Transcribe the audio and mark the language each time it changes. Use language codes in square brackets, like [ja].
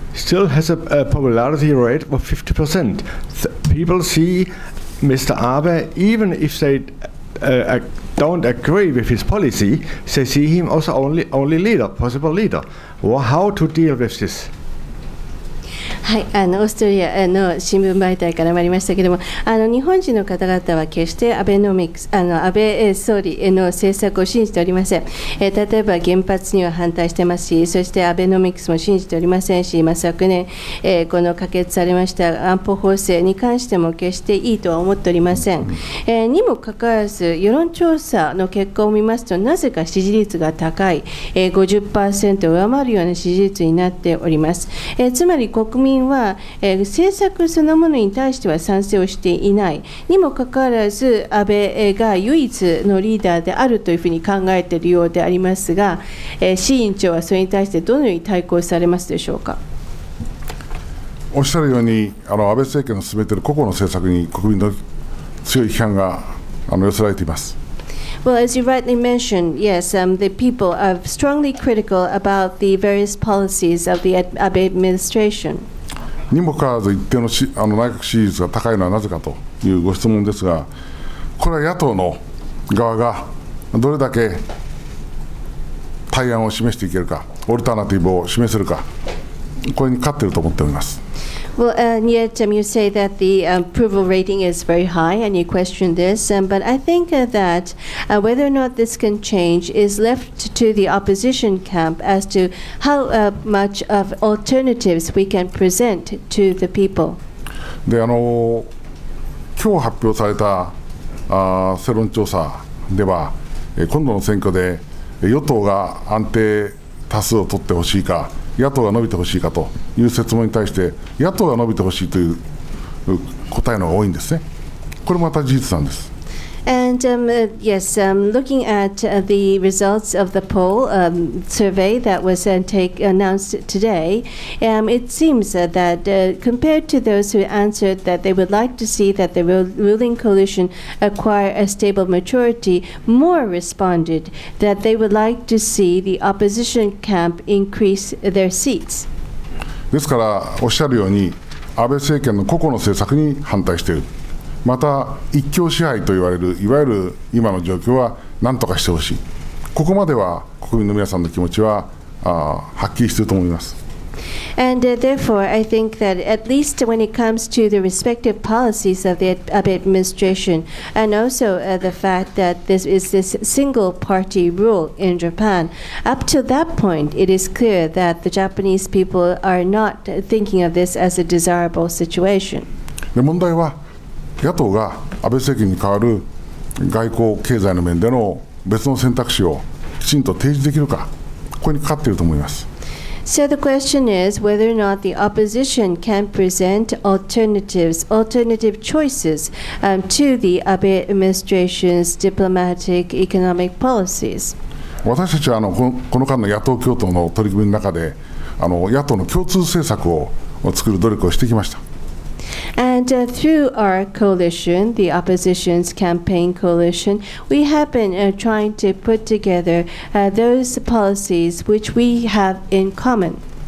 [en] Still has a popularity rate of 50%. People see Mr. Abe, even if they don't agree with his policy, they see him as only leader, possible leader. Well, how to deal with this? [ja] はい、オーストリアの新聞媒体からもありましたけれども、日本人の方々は決してアベノミクス、安倍総理の政策を信じておりません。例えば原発には反対してますし、そしてアベノミクスも信じておりませんし、まあ、昨年、この可決されました安保法制に関しても決していいとは思っておりません。にもかかわらず世論調査の結果を見ますと、なぜか支持率が高い、50% を上回るような支持率になっております。つまり国民は、政策そのものに対しては賛成をしていない、にもかかわらず安倍が唯一のリーダーであるというふうに考えているようでありますが、市委員長はそれに対してどのように対抗されますでしょうか。おっしゃるように、安倍政権の進めている個々の政策に国民の強い批判が寄せられています。 [en] Well, as you rightly mentioned, yes, the people are strongly critical about the various policies of the Abe administration. [ja] にもかかわらず一定の内閣支持率が高いのはなぜかというご質問ですが、これは野党の側がどれだけ対案を示していけるか、オルタナティブを示せるか、これに勝っていると思っております。 [en] Well, and yet you say that the approval rating is very high, and you question this. But I think that whether or not this can change is left to the opposition camp as to how much of alternatives we can present to the people. [ja] で、今日発表された世論調査では、今度の選挙で与党が安定多数を取ってほしいか、野党が伸びてほしいかという質問に対して、野党が伸びてほしいという答えのが多いんですね。これまた事実なんです。 [en] And yes, looking at the results of the poll survey that was announced today, it seems that compared to those who answered that they would like to see that the ruling coalition acquire a stable majority, more responded that they would like to see the opposition camp increase their seats. [ja] ですからおっしゃるように、安倍政権の個々の政策に反対している。また一強支配と言われるいわゆる今の状況は何とかしてほしい、ここまでは国民の皆さんの気持ちははっきりしていると思います。 [en] And therefore I think that at least when it comes to the respective policies of the Abe administration and also the fact that this is this single party rule in Japan, up to that point it is clear that the Japanese people are not thinking of this as a desirable situation. [ja] で問題は野党が安倍政権に代わる外交経済の面での別の選択肢をきちんと提示できるか、ここにかかっていると思います。 [en] So the question is whether or not the opposition can present alternatives, alternative choices, to the Abe administration's diplomatic economic policies. [ja] 私たちはこの間の野党共闘の取り組みの中で野党の共通政策を作る努力をしてきました。 [en] And through our coalition, the opposition's campaign coalition, we have been trying to put together those policies which we have in common.